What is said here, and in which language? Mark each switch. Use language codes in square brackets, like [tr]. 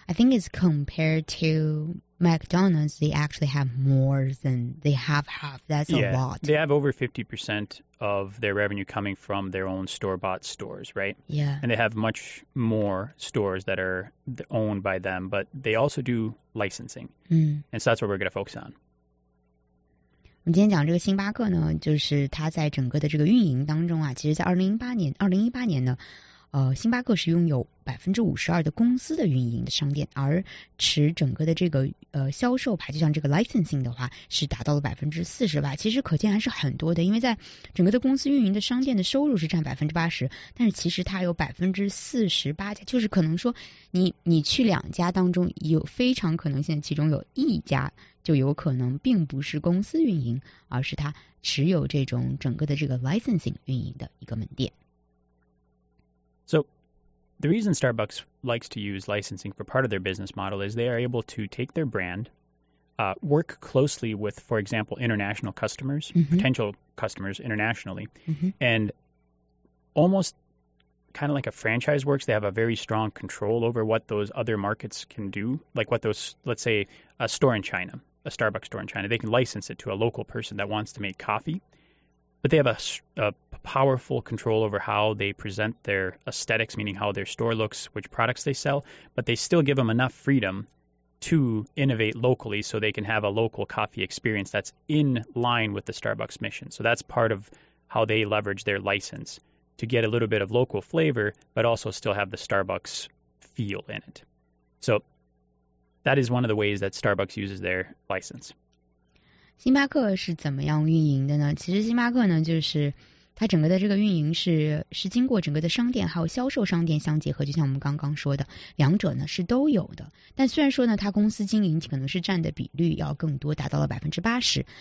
[en] I think it's compared to McDonald's, they actually have more than they have half. That's yeah, a lot. They have over 50% of their revenue coming from their own store bought stores, right? Yeah. And they have much more stores that are owned by them, but they also do licensing.、 Mm. And so that's what we're going to focus on. [zh] 我们今天讲这个星巴克呢，就是它在整个的这个运营当中啊，其实在2018年呢，星巴克是拥有52%的公司的运营的商店，而持整个的这个销售牌，就像这个 licensing 的话，是达到了40%吧。其实可见还是很多的，因为在整个的公司运营的商店的收入是占80%，但是其实它有48%家，就是可能说你去两家当中，有非常可能现在其中有一家就有可能并不是公司运营，而是它持有这种整个的这个 licensing 运营的一个门店。 [en] So, the reason Starbucks likes to use licensing for part of their business model is they are able to take their brand, work closely with, for example, international customers,、mm-hmm. potential customers internationally,、 mm-hmm. and almost kind of like a franchise works, they have a very strong control over what those other markets can do, like what those, let's say, a store in China, a Starbucks store in China, they can license it to a local person that wants to make coffee. But they have a powerful control over how they present their aesthetics, meaning how their store looks, which products they sell. But they still give them enough freedom to innovate locally so they can have a local coffee experience that's in line with the Starbucks mission. So that's part of how they leverage their license to get a little bit of local flavor, but also still have the Starbucks feel in it. So that is one of the ways that Starbucks uses their license. [zh] 星巴克是怎么样运营的呢？其实星巴克呢，就是它整个的这个运营是经过整个的商店还有销售商店相结合，就像我们刚刚说的，两者呢是都有的。但虽然说呢，它公司经营可能是占的比率要更多，达到了80%。